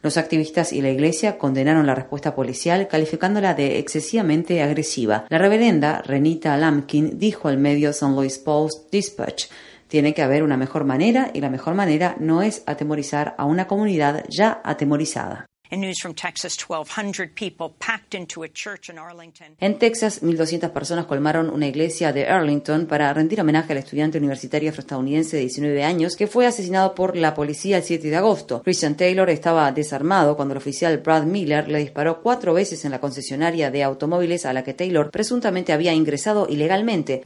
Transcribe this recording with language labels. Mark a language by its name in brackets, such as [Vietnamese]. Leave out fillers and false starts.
[Spanish] Los activistas y la iglesia condenaron la respuesta policial, calificándola de excesivamente agresiva. La reverenda Renita Lampkin dijo al medio San Luis Post-Dispatch: tiene que haber una mejor manera, y la mejor manera no es atemorizar a una comunidad ya atemorizada. [English] In news from Texas, 1,200 people packed into a church in Arlington. [Spanish] En Texas, 1,200 personas colmaron una iglesia de Arlington para rendir homenaje al estudiante universitario afroestadounidense de 19 años que fue asesinado por la policía el 7 de agosto. Christian Taylor estaba desarmado cuando el oficial Brad Miller le disparó 4 veces en la concesionaria de automóviles a la que Taylor presuntamente había ingresado ilegalmente.